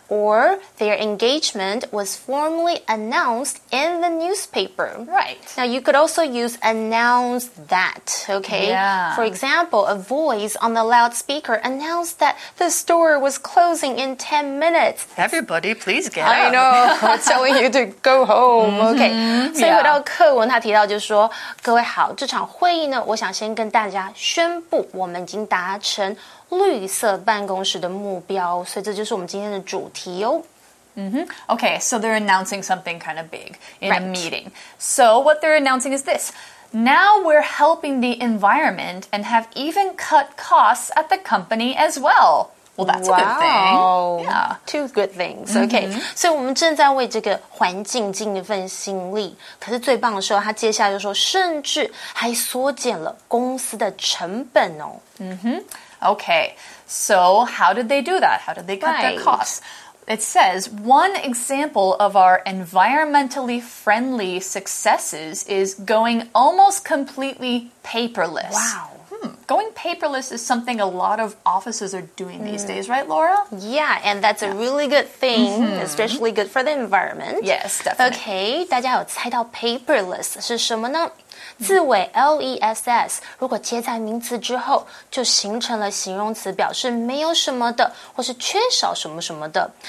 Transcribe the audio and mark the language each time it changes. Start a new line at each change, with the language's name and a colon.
English: Or their engagement was formally announced in the newspaper. Right. Now you could also use announce that. OK. Yeah. For example, a voice on the loudspeaker announced that the store was closing in 10 minutes. Everybody, please get up. I know. I'm telling you to go home. OK.
Chinese: 所以回到课文，他提到就是说，各位好，这场会议呢，我想先跟大家宣布，我们已经达成绿色办公室的目标，所以这就是我们今天的主题哦。
English: Okay, so they're announcing something kind of big in a meeting. So what they're announcing is this. Now we're helping the environment and have even cut costs at the company as well. Well, that's a good thing. Yeah. Two good things. Okay. Mm-hmm.
Chinese: 所以我们正在为这个环境尽一份心力。可是最棒的时候，他接下来就说，甚至还缩减了公司的成本哦。
English: Okay. So how did they do that? How did they cut their costs? It says, one example of our environmentally friendly successes is going almost completely paperless. Wow. Going paperless is something a lot of offices are doing these days, right, Laura? Yeah, and that's a really good thing, especially good for the environment. Yes, definitely.
Chinese: Okay, 大家有猜到 paperless 是什么呢？字尾 L-E-S-S 如果接在名词之后，就形成了形容词，表示没有什么的，或是缺少什么什么的。